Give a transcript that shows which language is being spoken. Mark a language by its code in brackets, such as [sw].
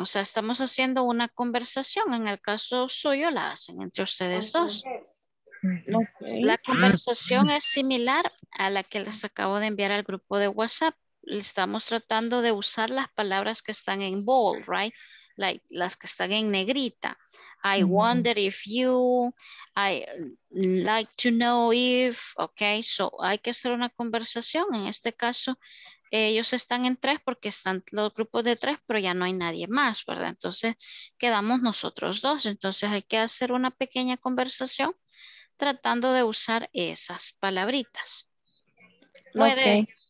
[es] O sea, estamos haciendo una conversación. En el caso suyo, la hacen entre ustedes dos. Okay. La conversación es similar a la que les acabo de enviar al grupo de WhatsApp. Estamos tratando de usar las palabras que están en bold, right? Like, las que están en negrita. [en] I wonder if you, I like to know if, okay? [es] So, hay que hacer una conversación. En este caso, ellos están en tres porque están los grupos de tres, pero ya no hay nadie más, ¿verdad? Entonces, quedamos nosotros dos. Entonces, hay que hacer una pequeña conversación tratando de usar esas palabritas. Puede, okay.